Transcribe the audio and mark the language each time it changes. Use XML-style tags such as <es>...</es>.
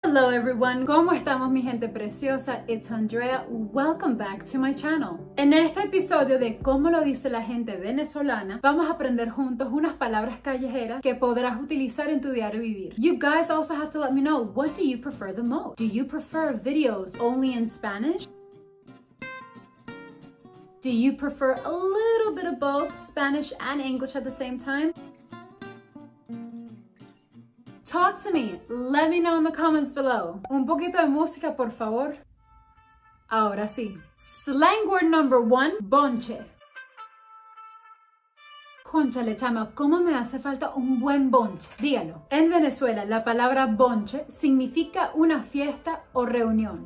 <en>Hello everyone,</en> <es>¿cómo estamos mi gente preciosa?</es> <en>It's Andrea, welcome back to my channel.</en> <es>En este episodio de cómo lo dice la gente venezolana, vamos a aprender juntos unas palabras callejeras que podrás utilizar en tu diario vivir.</es> <en>You guys also have to let me know, what do you prefer the most? Do you prefer videos only in Spanish? Do you prefer a little bit of both, Spanish and English at the same time? Talk to me. Let me know in the comments below.</en> <es>Un poquito de música, por favor. Ahora sí.</es> <en>Slang word number one, bonche.</en> <es>Cónchale, chama, ¿cómo me hace falta un buen bonche? Dígalo. En Venezuela, la palabra bonche significa una fiesta o reunión.</es>